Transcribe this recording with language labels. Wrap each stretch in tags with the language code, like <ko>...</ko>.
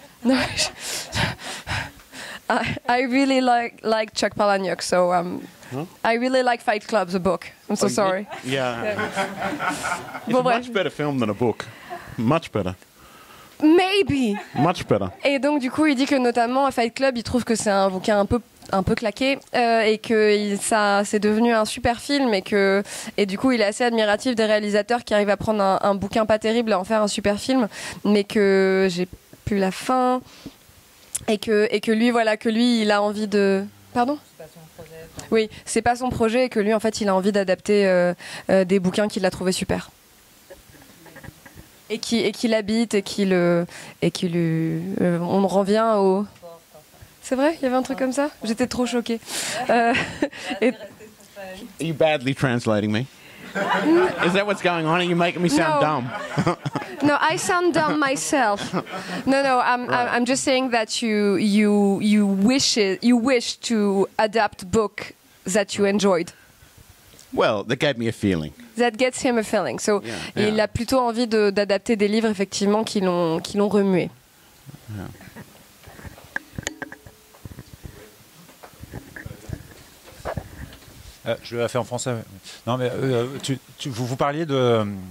<en>I really like Chuck Palahniuk, so I really like Fight Club, the book. I'm so sorry. Yeah. It's a much better film than a book. Much better. Maybe. Much better.</en> <fr>Et donc du coup, il dit que notamment Fight Club, il trouve que c'est un bouquin un peu claqué et que ça c'est devenu un super film et du coup, il est assez admiratif des réalisateurs qui arrivent à prendre un bouquin pas terrible et en faire un super film, mais que j'ai plus la fin. Et que lui, voilà, que lui, il a envie de... Pardon ? C'est pas son projet. Oui, c'est pas son projet et que lui, en fait, il a envie d'adapter des bouquins qu'il a trouvés super. Et qu'il habite et qu'il on revient au... C'est vrai ? Il y avait un truc comme ça ? J'étais trop choquée.</fr> <en>Are you badly translating me ? Is that what's going on? Are you making me sound dumb? No, I sound dumb myself. No, right. I'm just saying that you wish to adapt book that you enjoyed. Well, that gave me a feeling. That gets him a feeling. So, yeah.</en> <fr>Il a plutôt envie d'adapter des livres effectivement qui l'ont remué. Yeah. Je l'ai fait en français. Non, mais vous parliez de.</fr>